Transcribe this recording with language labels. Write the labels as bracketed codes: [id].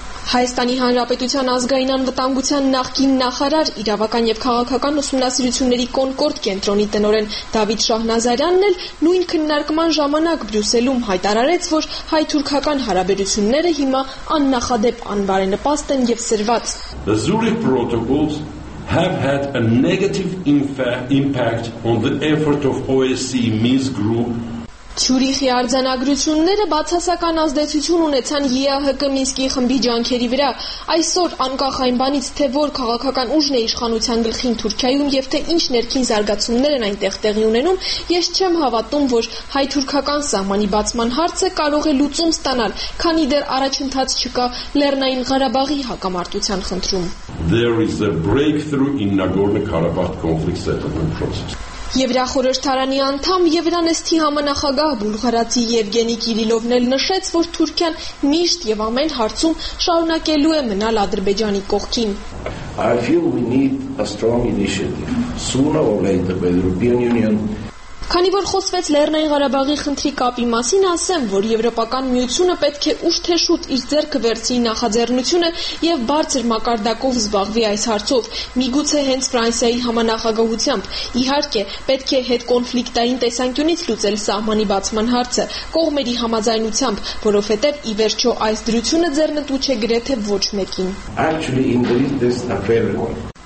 [hy] Հայաստանի Հանրապետության ազգային անվտանգության նախկին նախարար, իրավական և քաղաքական ուսումնասիրությունների կոնկորդ կենտրոնի տնօրեն Դավիթ Շահնազարյանն էլ նույն քննարկման ժամանակ Բրյուսելում հայտարարեց, որ հայ-թուրքական հարաբերությունները հիմա աննախադեպ անբարենպաստ են և սրված։ [en] The Zurich protocols have had a negative impact on the effort of OSCE Minsk group. [hy] Չուրիխի արձանագրությունները բացասական ազդեցություն ունեցան ԵԱՀԿ Մինսկի խմբի ջանքերի վրա։ Այսօր անկախ այն բանից, թե որ քաղաքական ուժն է իշխանության գլխին Թուրքիայում և թե ինչ ներքին զարգացումներ են այնտեղ տեղի ունենում, ես չեմ հավատում, որ հայ-թուրքական սահմանի բացման հարցը կարող է լուծում ստանալ, քանի դեռ առաջընթաց չկա Լեռնային Ղարաբաղի հակամարտության խնդրում։ [en] There is a breakthrough in Nagorno-Karabakh conflict settlement process. [hy] Եվրախորհրդարանի անդամ Եվրանեստի համանախագահ Բուլղարացի Եվգենի Կիրիլովն էլ նշեց, որ Թուրքիան միշտ և ամեն հարցում շարունակելու է մնալ Ադրբեջանի կողքին։ [en] I feel we need a strong initiative sooner or later by the European Union. [hy] Քանի որ խոսվեց Լեռնային Ղարաբաղի խնդրի կապի մասին, ասեմ, որ Եվրոպական միությունը պետք է ուշ թե շուտ իր ձեռքը վերցի նախաձեռնությունը և բարձր մակարդակով զբաղվի այս հարցով, միգուցե հենց Ֆրանսիայի համանախագահությամբ։ Իհարկե, պետք է հետ կոնֆլիկտային տեսանկյունից լուծել սահմանի բացման հարցը կողմերի համաձայնությամբ, որովհետև ի վերջո այս դրությունը ձեռնտու չէ գրեթե ոչ մեկին։